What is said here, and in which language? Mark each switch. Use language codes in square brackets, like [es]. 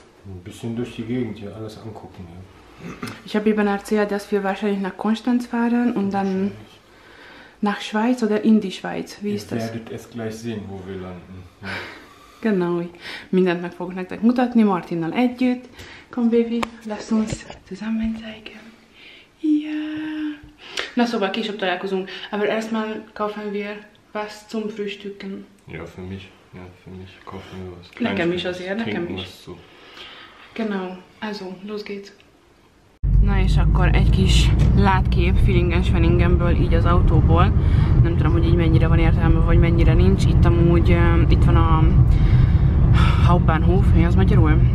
[de] Ein bisschen durch die Gegend hier, alles angucken. Ja. Ich habe eben erzählt, dass wir wahrscheinlich nach Konstanz fahren und dann nach Schweiz oder in die Schweiz. Wie ist das? Ihr werdet es gleich sehen, wo wir landen. Ja. Genau. [hu] Mindent meg fogok nektek mutatni, Martinnal együtt. [de] Komm, Baby, lass uns zusammen zeigen. Ja. [hu] Na szóval, később találkozunk. [de] Aber erstmal kaufen wir was zum Frühstücken. Ja, für mich. Ja, für mich kaufen wir was. Kleines [hu] nekem is azért, nekem is. [de] So. Genau, also, los geht's. [hu] Na és akkor egy kis látkép feelingen-sveningenből így az autóból. Nem tudom, hogy így mennyire van értelme, vagy mennyire nincs. Itt amúgy, itt van a Hauptbahnhof, mi az magyarul?